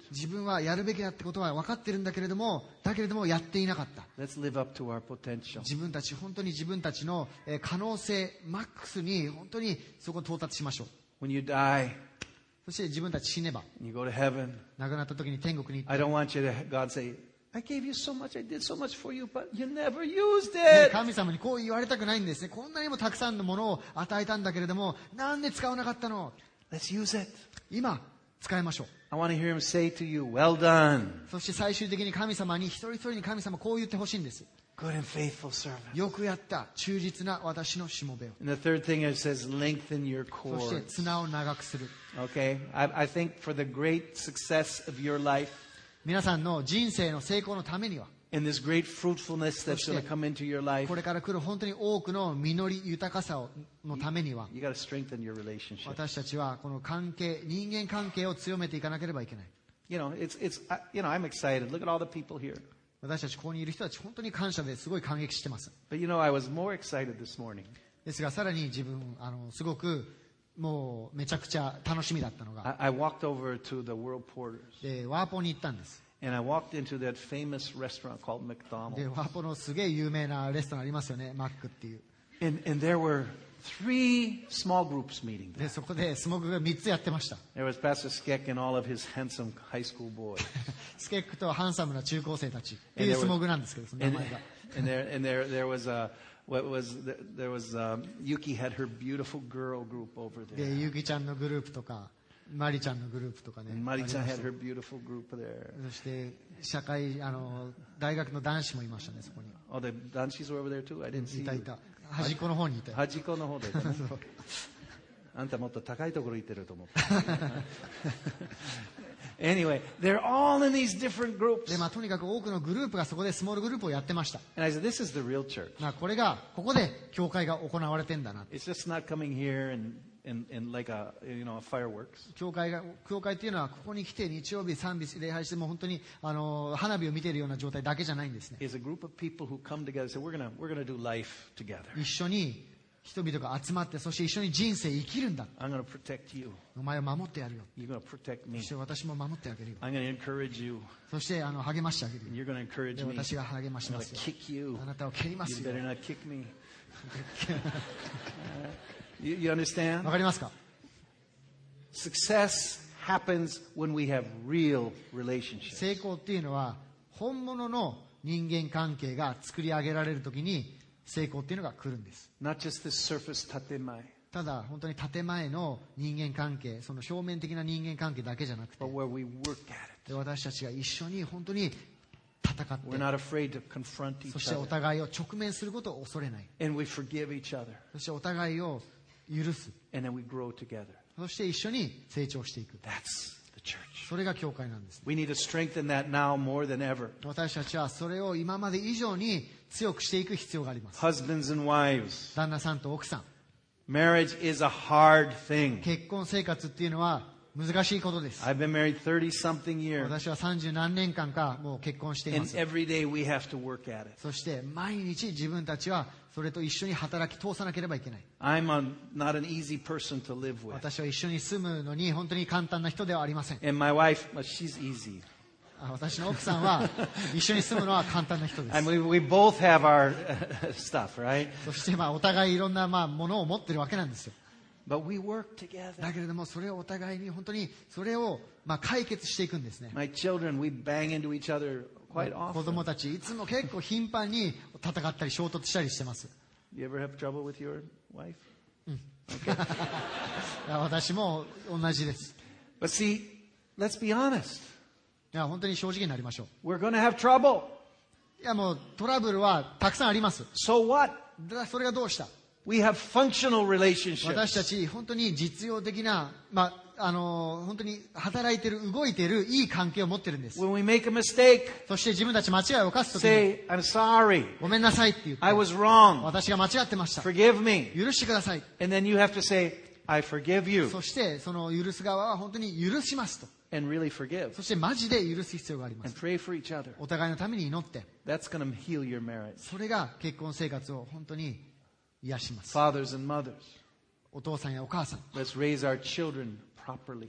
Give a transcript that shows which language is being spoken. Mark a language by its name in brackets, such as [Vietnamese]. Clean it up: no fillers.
[Japanese] 自分はやるべきだってことは分かってるんだけれども、だけれどもやっていなかった。 [English] Let's live up to our potential. [Japanese] 自分たち本当に自分たちの可能性マックスに本当にそこに到達しましょう。 [English] When you die, [Japanese] そして自分たち死ねば、 [English] you go to heaven. [Japanese] 亡くなった時に天国に行 [English] って。I don't want you to God say. I gave you so much, I did so much for you, but you never used it. [Japanese] 神様にこう言われたくないんですね。こんなにもたくさんのものを与えたんだけれども、なんで使わなかったの? [English] Let's use it. [Japanese] 今、使いましょう。 [English] I want to hear him say to you, well done. [Japanese] そして最終的に神様に、一人一人に神様こう言ってほしいんです。 [English] Good and faithful servant. [Japanese] よくやった、忠実な私のしもべを。 [English] And the third thing it says, lengthen your cords. [Japanese] そして綱を長くする。 [English] Okay. I think for the great success of your life, [Japanese] 皆さんの人生の成功のためには、これから来る本当に多くの実り豊かさのためには、私たちはこの関係、人間関係を強めていかなければいけない。 [English] You know, it's, you know, I'm excited. Look at all the people here. [Japanese] 私たちここにいる人たち本当に感謝ですごい感激してます。 [English] But you know, I was more excited this morning. [Japanese] ですがさらに自分すごくもうめちゃくちゃ楽しみだったのが [English] I walked over to the World Porters. [Japanese] でワーポに行ったんです。 [English] And I walked into that famous restaurant called McDonald's. [Japanese] でワーポのすげえ有名なレストランありますよね、マックっていう。 [English] And there were three small groups meeting there. [Japanese] でそこでスモークが3つやってました。 [English] There was Pastor Skek and all of his handsome high school boys. [Japanese] スケックとハンサムな中高生たちっていうスモークなんですけど、その名前が。 [English] And there was a what was the, there was Yuki had her beautiful girl group over there. [Japanese] でユキちゃんのグループとか。マリちゃんのグループとかね。 [English] マリちゃん had her beautiful group there. [Japanese] そして社会大学の男子もいましたねそこに。 [English] Oh, the 男子 were over there too. I didn't see. [Japanese] いたいた。端っこの方にいた。端っこの方で。あんたもっと高いところ行ってると思った。 [English] Anyway, they're all in these different groups. [Japanese] で、まあ、とにかく多くのグループがそこでスモールグループをやってました。 [English] And I said, this is the real church. [Japanese] まあ、これがここで教会が行われてんだな。 [English] It's just not coming here and like a, you know, a fireworks. [Japanese] 教会っていうのはここに来て日曜日賛美礼拝しても本当に花火を見ているような状態だけじゃないんですね。 [English] It's a group of people who come together and say, we're gonna do life together. [Japanese] 一緒に人々が集まってそして一緒に人生生きるんだ。 [English] I'm gonna protect you. [Japanese] お前を守ってやるよ。 [English] You're gonna protect me. [Japanese] そして私も守ってあげるよ。 [English] I'm gonna encourage you. [Japanese] そして励ましてあげるよ。 [English] You're gonna encourage me. [Japanese] 私が励ましますよ。 [English] I'm gonna kick you. [Japanese] あなたを蹴りますよ。 [English] You better not kick me. You understand? [Japanese] わかりますか? [English] Success happens when we have real relationships. [Japanese] 成功っていうのは本物の人間関係が作り上げられるときに成功っていうのが来るんです。 [English] Not just the surface 建前。 [Japanese] ただ本当に建前の人間関係、その表面的な人間関係だけじゃなくて、 [English] But where we work at it. [Japanese] で私たちが一緒に本当に戦って、 [English] We're not afraid to confront each other. [Japanese] そしてお互いを直面することを恐れない。 [English] And we forgive each other. [Japanese] そしてお互いを許す。 [English] And then we grow together. [Japanese] そして一緒に成長していく。 [English] That's the church. [Japanese] それが教会なんです、ね。 [English] We need to strengthen that now more than ever. [Japanese] 私たちはそれを今まで以上に強くしていく必要があります。 [English] Husbands and wives. [Japanese] 旦那さんと奥さん。 [English] Marriage is a hard thing. [Japanese] 結婚生活っていうのは難しいことです。 [English] I've been married 30 something years. [Japanese] 私は30何年間かもう結婚しています。 [English] And every day we have to work at it. [Japanese] そして毎日自分たちはそれと一緒に働き通さなければいけない。 [English] I'm not an easy person to live with. [Japanese] 私は一緒に住むのに本当に簡単な人ではありません。 [English] And my wife, well, she's easy. [Japanese] 私の奥さんは一緒に住むのは簡単な人です。 [English] I mean, we both have our stuff, right? [Japanese] そしてまあお互いいろんなまあものを持ってるわけなんですよ。 [English] But we work together. [Japanese] だけれどもそれをお互いに本当にそれをまあ解決していくんですね。 [English] My children, we bang into each other quite often. [Japanese] 子供たちいつも結構頻繁に戦ったり衝突したりしてます。 [English] You ever have trouble with your wife? Okay. [Japanese] 私も同じです。 [English] But see, let's be honest. [Japanese] いや本当に正直になりましょう。 [English] We're gonna have trouble. [Japanese] いやもうトラブルはたくさんあります。 [English] So what? [Japanese] それがどうした? [English] We have functional relationships. [Japanese] 私たち本当に実用的な、まあ、本当に働いてる、動いてる、いい関係を持ってるんです。 [English] When we make a mistake, [Japanese] そして自分たち間違いを犯すときに、 [English] Say, I'm sorry. [Japanese] ごめんなさいって言って、 [English] I was wrong. [Japanese] 私が間違ってました。 [English] Forgive me. [Japanese] 許してください。 [English] And then you have to say, I forgive you. [Japanese] そして、その許す側は本当に許しますと。 [English] And really forgive. [Japanese] そしてマジで許す必要があります。 [English] And pray for each other. [Japanese] お互いのために祈って。 [English] That's gonna heal your marriage. [Japanese] それが結婚生活を本当に癒します [English] 。 Fathers and mothers. [Japanese] お父さんやお母さん。 [English] Let's raise our children properly.